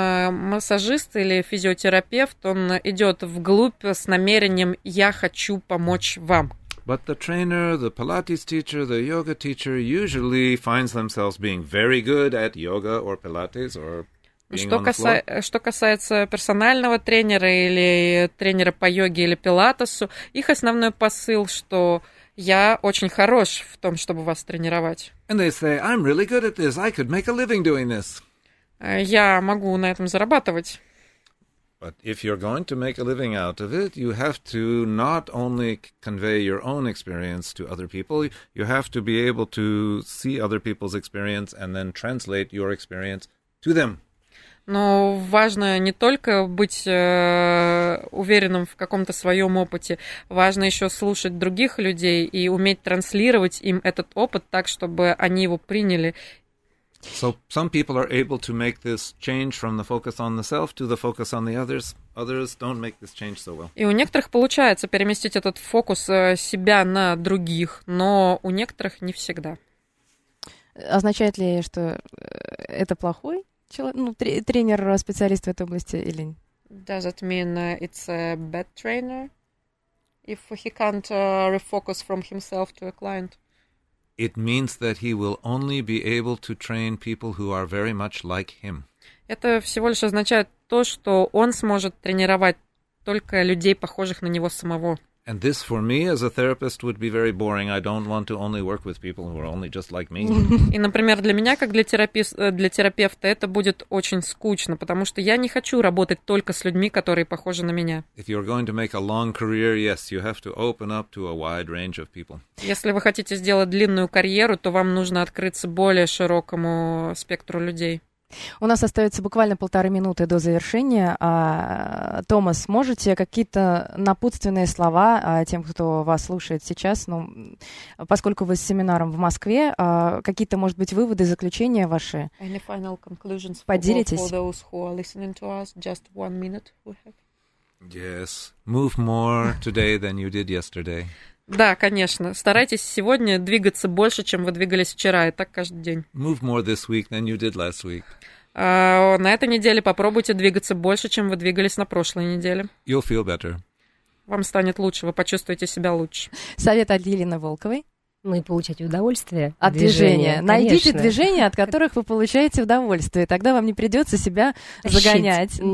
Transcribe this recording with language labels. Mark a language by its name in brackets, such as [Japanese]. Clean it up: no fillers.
[Russian] Массажист или физиотерапевт, он идет вглубь с намерением «я хочу помочь вам». [English] But the trainer, the Pilates teacher, the yoga teacher usually finds themselves being very good at yoga or Pilates or being [Russian] что [English] on the floor. [Russian] Что касается персонального тренера или тренера по йоге или пилатесу, их основной посыл, что я очень хорош в том, чтобы вас тренировать. [English] And they say, I'm really good at this, I could make a living doing this. [Russian] Я могу на этом зарабатывать. [English] But if you're going to make a living out of it, you have to not only convey your own experience to other people, you have to be able to see other people's experience and then translate your experience to them. [Russian] Но важно не только быть уверенным в каком-то своем опыте, важно еще слушать других людей и уметь транслировать им этот опыт так, чтобы они его приняли. [English] So some people are able to make this change from the focus on the self to the focus on the others. Others don't make this change so well. [Russian] И у некоторых получается переместить этот фокус себя на других, но у некоторых не всегда. Означает ли, что это плохой человек, ну, тренер-специалист в этой области или нет? [English] Does it mean it's a bad trainer if he can't refocus from himself to a client? It means that he will only be able to train people who are very much like him. [Russian] Это всего лишь означает то, что он сможет тренировать только людей, похожих на него самого. [English] And this for me as a therapist would be very boring. I don't want to only work with people who are only just like me. [Russian] И, например, для меня, как для терапевта, это будет очень скучно, потому что я не хочу работать только с людьми, которые похожи на меня. [English] If you're going to make a long career, yes, you have to open up to a wide range of people. [Russian] Если вы хотите сделать длинную карьеру, то вам нужно открыться более широкому спектру людей. У нас остается буквально полторы минуты до завершения. Томас, можете какие-то напутственные слова тем, кто вас слушает сейчас? Ну, поскольку вы с семинаром в Москве, какие-то, может быть, выводы, заключения ваши? [English] Any final conclusions [Russian] поделитесь? [English] For those who are listening to us, just one minute we have. Yes, move more today than you did yesterday. [Russian] Да, конечно. Старайтесь сегодня двигаться больше, чем вы двигались вчера, и так каждый день. [English] Move more this week than you did last week. [Russian] На этой неделе попробуйте двигаться больше, чем вы двигались на прошлой неделе. [English] You'll feel better. [Russian] Вам станет лучше, вы почувствуете себя лучше. Совет от Елены Волковой. Ну и получать удовольствие от движения. Найдите движения, от которых вы получаете удовольствие. Тогда вам не придется себя загонять. Нет.